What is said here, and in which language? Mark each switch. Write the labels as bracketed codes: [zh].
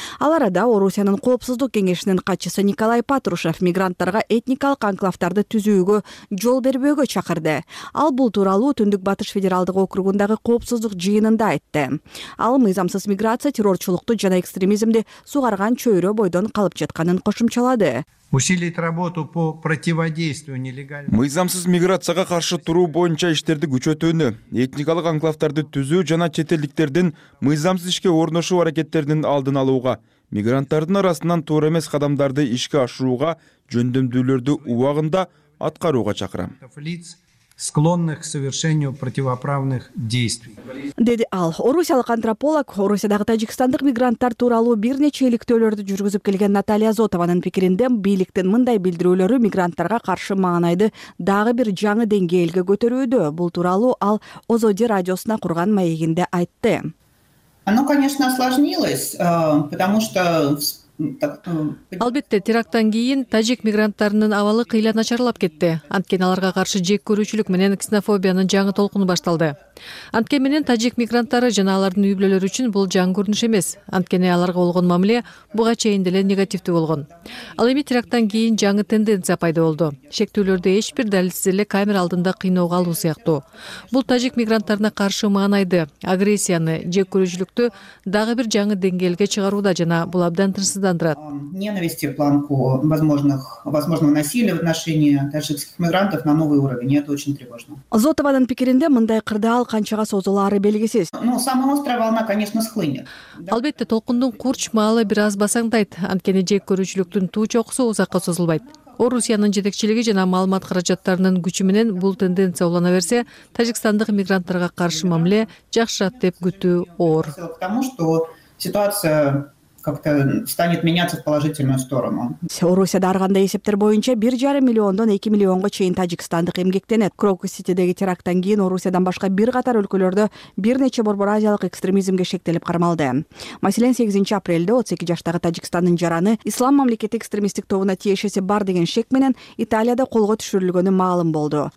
[ky] Ал арада Орусиянын коопсуздук кеңешинин катчысы Николай Патрушев мигранттарга этникалык анклавтарды түзүүгө жол бербөөгө чакырды. Ал бул тууралуу Түндүк Батыш федералдык округундагы коопсуздук жыйынында айтты. Ал мыйзамсыз миграция, террорчулукту жана экстремизмди сугарган чөйрө бойдон калып жатканын кошумчалады. [ru] Усилить работу по противодействию нелегальным. [ky] Мыйзамсыз миграцияга каршы туруу боюнча иштерди күчөтүүнү, этникалык анклавтарды түзүү жана чет элдиктердин мыйзамсыз ишке орношуу аракеттеринин алдын алууга, мигранттардын арасынан туура эмес кадамдарды ишке ашырууга жөндөмдүүлөрдү убагында аткарууга чакырам. [ru] Склонных к совершению противоправных действий. [ky] Деди ал. Орусиялык антрополог, Орусиядагы тажикстандык мигранттар тууралуу бир нече иликтөөлөрдү жүргүзүп келген Наталья Зотованын пикиринде бийликтин мындай билдирүүлөрү мигранттарга каршы маанайды дагы бир жаңы деңгээлге көтөрүүдө. Бул тууралуу ал Озоди радиосуна курган маегинде айтты. [ru] Оно, конечно, осложнилось, потому что... [ky] Албетте, терактан кийин тажик мигранттарынын абалы кыйла начарлап кетти. Анткени аларга каршы жек көрүүчүлүк менен ксенофобиянын жаңы толкуну башталды. Анткени менен тажик мигранттары жана алардын үй бүлөлөрү үчүн бул жаңы көрүнүш эмес. Анткени аларга болгон мамиле буга чейин деле негативдүү болгон. Ал эми терактан кийин жаңы тенденция пайда болду. Шектүүлөрдү эч бир далилсиз эле камера алдында кыйноого алуу сыяктуу. Бул тажик мигранттарына каршы маанайды, агрессияны, жек көрүүчүлүктү дагы бир жаңы деңгээлге чыгарууда жана бул абдан тынчсыз. [ru] Ненависти в планку возможного насилия в отношении тажикских мигрантов на новый уровень. И это очень тревожно. [ky] Зотованын пикиринде мындай кырдаал канчага созулары белгисиз. [ru] Ну, самая острая волна, конечно, схлынет. [ky] Албетте, толкундун курчмалы бир аз басаңдайт. Анткени жек көрүүчүлүктүн туу чокусу узакка созулбайт. Орусиянын жетекчилиги жана маалымат каражаттарынын күчү менен бул тенденция улана берсе, тажикстандык мигранттарга каршы мамиле жакшырат деп күтүү оор. [ru] К тому, что ситуация... как-то станет меняться в положительную сторону. [ky] Орусияда ар кандай эсептер боюнча 1,5 миллиондон 2 миллионго чейин тажикстандык эмгектенет. Крокус Ситидеги терактан кийин Орусиядан башка бир катар өлкөлөрдө бир нече борбор азиялык экстремизмге шектелип кармалды. Маселен, 8 апрелде 32 жаштагы тажикстандын жараны Ислам мамлекети экстремисттик тобуна тиешеси бар деген шек менен Италияда колго түшүрүлгөнү маалым болду.